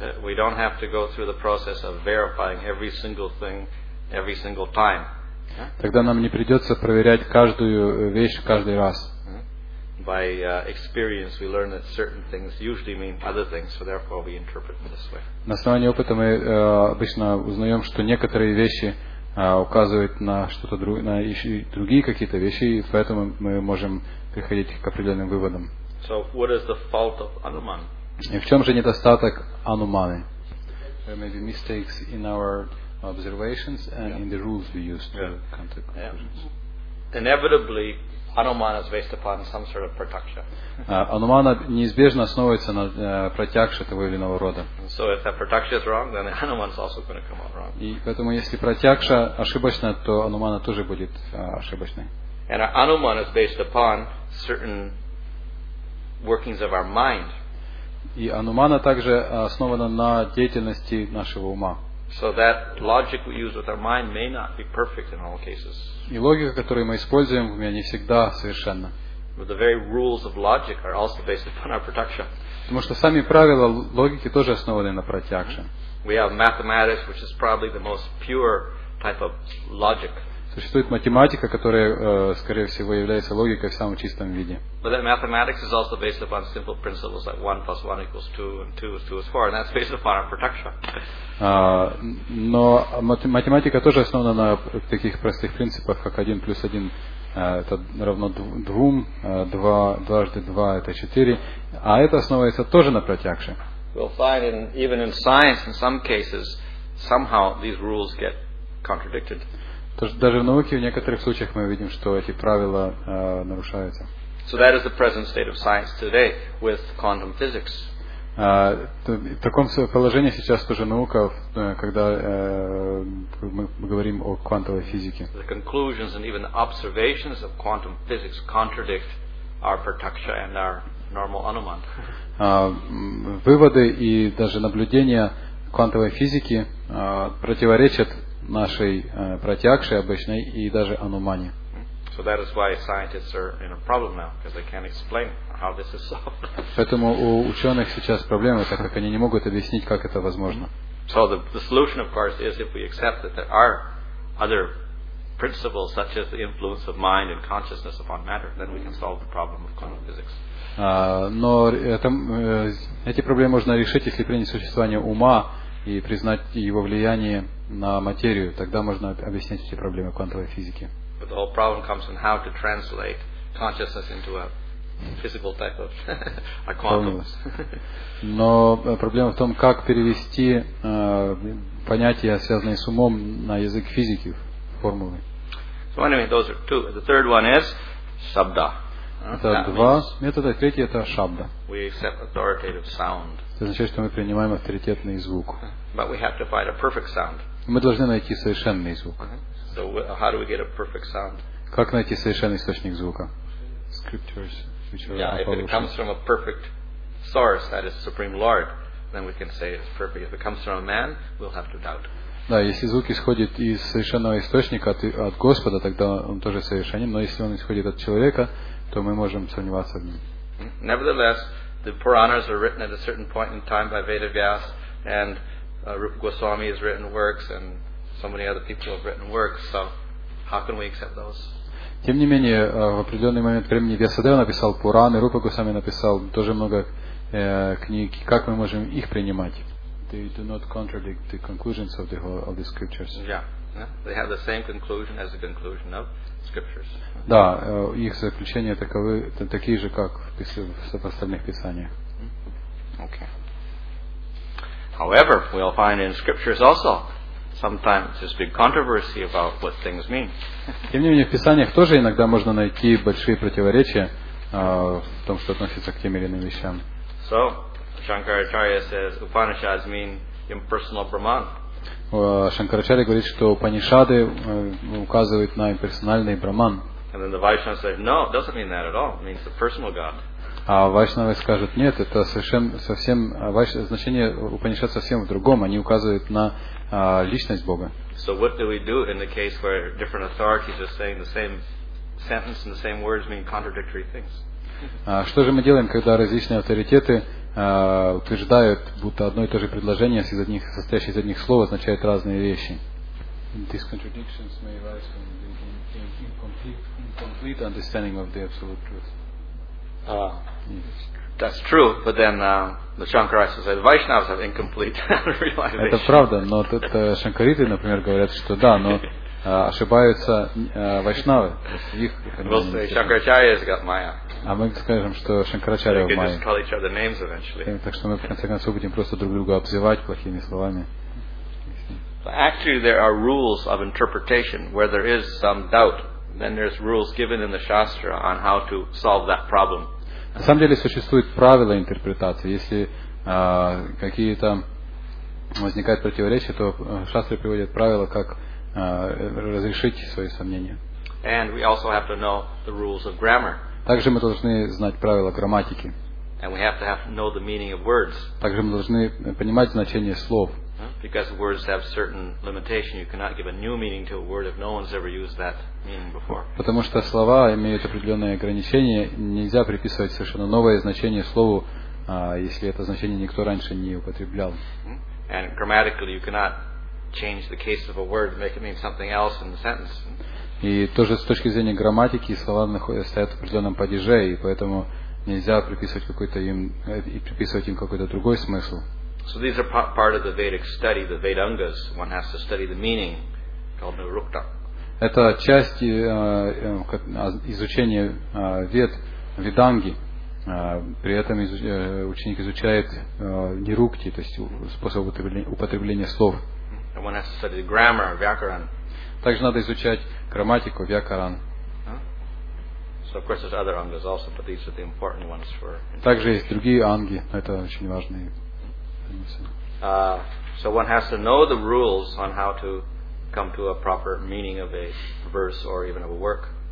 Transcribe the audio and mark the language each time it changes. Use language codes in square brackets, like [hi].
[en] We don't have to go through the process of verifying every single thing, every single time. [ru] Тогда нам не придется проверять каждую вещь каждый раз. [en] By experience, we learn that certain things usually mean other things, so therefore we interpret them this way. [ru] На основании опыта мы обычно узнаем, что некоторые вещи указывает на что-то другое, на еще другие какие-то вещи, и поэтому мы можем приходить к определенным выводам. [en] So what is the fault of anuman? [ru] И в чем же недостаток ануманы? [en] There may be mistakes in our observations and in the rules we use to come to conclusions. Inevitably, anuman is based upon some sort of pratyaksha. [ru] Анумана неизбежно основывается на pratyaksha того или иного рода. [en] So if that pratyaksha is wrong, then the anuman is also going to come out wrong. [ru] И поэтому, если pratyaksha ошибочна, то анумана тоже будет ошибочной. [en] And our anuman is based upon certain workings of our mind. [ru] И анумана также основана на деятельности нашего ума. [en] So that logic we use with our mind may not be perfect in all cases. [ru] И логика, которую мы используем, не всегда совершенна. [en] But the very rules of logic are also based upon our pratyaksha. [ru] Потому что сами правила логики тоже основаны на pratyaksha. [en] We have mathematics, which is probably the most pure type of logic. [ru] Существует математика, которая, скорее всего, является логикой в самом чистом виде. [en] But that mathematics is also based upon simple principles like 1 plus 1 equals 2 and 2 is 2 is 4, and that's based upon our pratyaksha. [ru] Но математика тоже основана на таких простых принципах, как 1 плюс 1 это равно 2, 2 дважды 2 это 4, а это основывается тоже на pratyaksha. [en] We'll find in, even in science, in some cases, somehow these rules get contradicted. [ru] Даже в науке в некоторых случаях мы видим, что эти правила нарушаются. [en] So that is the present state of science today with quantum physics. [ru] В таком положении сейчас тоже наука, когда мы говорим о квантовой физике. [en] The conclusions and even the observations of quantum physics contradict our pratyaksha and our normal anuman. [ru] Выводы и даже наблюдения квантовой физики противоречат нашей пратьякше обычной и даже анумане. [en] So that is why scientists are in a problem now, because they can't explain how this is solved. [ru] Поэтому у ученых сейчас проблемы, так как они не могут объяснить, как это возможно. [en] So the solution, of course, is if we accept that there are other principles, such as the influence of mind and consciousness upon matter, then we can solve the problem of quantum physics. [ru] Но это, эти проблемы можно решить, если принять существование ума и признать его влияние на материю. Тогда можно объяснить эти проблемы квантовой физики. [en] But the whole problem comes in how to translate consciousness into a physical type of a quantum. [ru] Но проблема в том, как перевести понятия, связанные с умом, на язык физики, в формулы. [en] So anyway, those are two. The third one is shabda. [ru] Это два метода, третий это шабда. [en] We accept authoritative sound. [ru] Это означает, что мы принимаем авторитетный звук. [en] But we have to find a perfect sound. [ru] Мы должны найти совершенный звук. [en] So how do we get a perfect sound? [ru] Как найти совершенный источник звука? [en] Scriptures. Yeah, if it comes from a perfect source, that is Supreme Lord, then we can say it's perfect. If it comes from a man, we'll have to doubt. [ru] Да, если звук исходит из совершенного источника от Господа, тогда он тоже совершенен. Но если он исходит от человека, то мы можем сомневаться в нем. [en] Nevertheless, the Puranas are written at a certain point in time by Vedavyas, and Rupa Goswami has written works, and so many other people have written works. So, how can we accept those? [ru] Тем не менее, в определенный момент времени Вьясадева написал Пураны, Рупа Госвами написал тоже много книг. Как мы можем их принимать? [en] They do not contradict the conclusions of the scriptures. Yeah, they have the same conclusion as the conclusion of scriptures. [ru] Да, их заключения таковы, такие же, как в остальных писаниях. [en] Okay. However, we'll find in scriptures also sometimes there's big controversy about what things mean. [ru] Тем не менее, в писаниях тоже иногда можно найти большие противоречия в том, что относится к тем или иным вещам. [en] So, Shankaracharya says Upanishads mean impersonal Brahman. [ru] Шанкарачарья говорит, что Упанишады указывают на имперсональный Брахман. [en] And then the Vaishnava says, "No, it doesn't mean that at all. It means the personal God." [ru] А Вайшнавы скажут, нет, это совсем значение Упанишад совсем в другом. Они указывают на личность Бога. [en] So what do we do in the case where different authorities are saying the same sentence and the same words mean contradictory things? [ru] Что же мы делаем, когда различные авторитеты утверждают, будто одно и то же предложение, состоящее из одних слов, означает разные вещи? [en] These contradictions may arise from incomplete understanding of the absolute truth. Yes. That's true, but then the Shankaras say the Vaishnavas have incomplete realization. [ru] Это правда, но тут Шанкариты, например, говорят, что да, но ошибаются Вайшнавы. [en] We'll say Shankaracharya has got Maya. [ru] А мы скажем, что Шанкарачарья в Майе. [en] We can just call each other names eventually. [ru] Так что мы в конце концов будем просто друг друга обзывать плохими словами. [en] Actually, there are rules of interpretation where there is some doubt. Then there's rules given in the Shastra on how to solve that problem. [ru] На самом деле существуют правила интерпретации. Если какие-то возникают противоречия, то Шастра приводит правила, как разрешить свои сомнения. [en] And we also have to know the rules of grammar. [ru] Также мы должны знать правила грамматики. [en] And we have to know the meaning of words. [ru] Также мы должны понимать значение слов. [en] Because words have certain limitation, you cannot give a new meaning to a word if no one's ever used that meaning before. [ru] Потому что слова имеют определенные ограничения, нельзя приписывать совершенно новое значение слову, если это значение никто раньше не употреблял. [en] And grammatically, you cannot change the case of a word, make it mean something else in the sentence. [ru] И тоже с точки зрения грамматики слова стоят в определенном падеже, и поэтому нельзя приписывать им какой-то другой смысл. [en] So these are part of the Vedic study, the Vedangas. One has to study the meaning called Nirukta. [ru] Это часть изучения Вед, Веданги. При этом ученик изучает Нирукти, то есть способ употребления слов. [en] And one has to study the grammar, Vyakaran. [ru] Также надо изучать грамматику, Vyakaran. [en] So of course there's other angas also, but these are the important ones for. [ru] Также есть другие анги, но это очень важные. [en] So one has to know the rules on how to come to a proper meaning of a verse or even of a work.